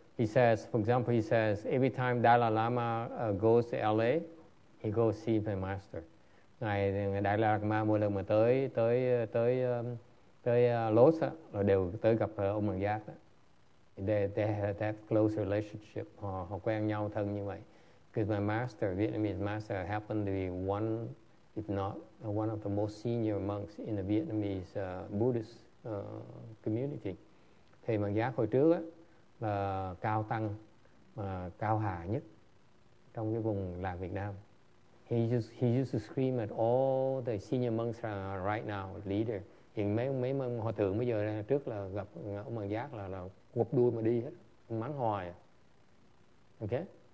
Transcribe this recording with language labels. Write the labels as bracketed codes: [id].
[en] He says, for example, he says, every time Dalai Lama goes to L.A., he goes see my master. [vi] Ngày Dalai Lama mỗi lần mà tới Los, rồi đều tới gặp ông Bản Giác. [en] They have that close relationship. [vi] Họ quen nhau thân như vậy. [en] Because my master, Vietnamese master, happened to be one, if not one of the most senior monks in the Vietnamese Buddhist community. [vi] Thầy Mạng Giác hồi trước á, là cao tăng, mà cao hạ nhất trong cái vùng làng Việt Nam. [en] He used to scream at all the senior monks right now, leader. [vi] Hiện mấy hòa thượng bây giờ trước là gặp ông Mạng Giác là quập đuôi mà đi hết, mắng hoài. Okay?